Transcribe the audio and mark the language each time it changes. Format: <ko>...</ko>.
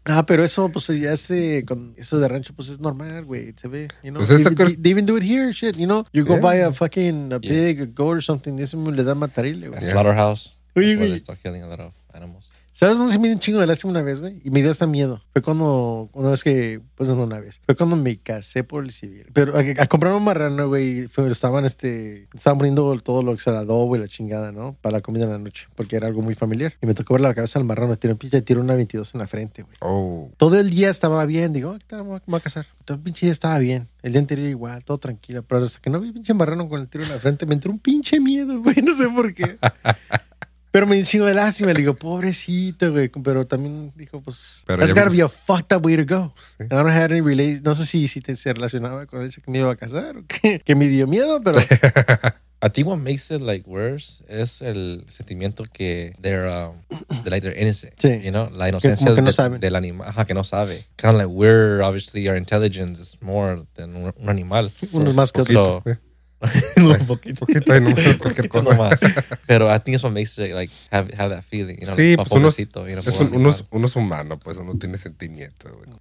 <es>Nah, pero eso, pues, ya se, con eso de rancho, pues, es normal, güey. Se ve,</es> <en>you know. Pues they even do it here, shit, you know. You go buy a fucking, pig, a goat or something,</en> <es>y ese le da matarile, güey.</es> <en>Slaughterhouse. That's where they start killing a lot of animals.</en> <es>¿Sabes dónde se me dio un chingo de lástima una vez, güey? Y me dio hasta miedo. Fue cuando, una vez que, pues no, una vez. Fue cuando me casé por el civil. Pero a comprar un marrano, güey, estaban poniendo todo lo que se la adobo y la chingada, ¿no? Para la comida en la noche, porque era algo muy familiar. Y me tocó ver la cabeza al marrano, tiró un pinche, tiró una 22 en la frente, güey. Oh. Todo el día estaba bien, digo, ¿qué tal? Me voy a casar. Todo el pinche día estaba bien. El día anterior igual, todo tranquilo. Pero hasta que no vi pinche marrano con el tiro en la frente, me entró un pinche miedo, güey, no sé por qué. Pero me dio un chingo de lástima. Le digo, pobrecito, güey. Pero también dijo, pues, pero</es> <en>that's gotta be a fucked up way to go.</en> <es>¿Sí?</es> <en>I don't have any relation.</en> <es>No sé si se relacionaba con el hecho que me iba a casar o que me dio miedo, pero...</es> <en>I think what makes it, like, worse</en> <es>es el sentimiento que</es> <en>they're innocent.</en> <es>Sí.</es> <en>You know,</en> <es>la inocencia que no del animal. Ajá, que no sabe.</es> <en>Kind of like, we're, obviously, our intelligence is more than</en> <es>un animal. Unos más que otros. un poquito no, cualquier cosa no más.</es> <en>Pero I think it's what makes it, like, have that feeling, you know.</en> <es>Sí, pues pobrecito, uno,</es> <en>you know,</en> <es>es un, uno es humano, pues uno tiene sentimiento, güey.</es>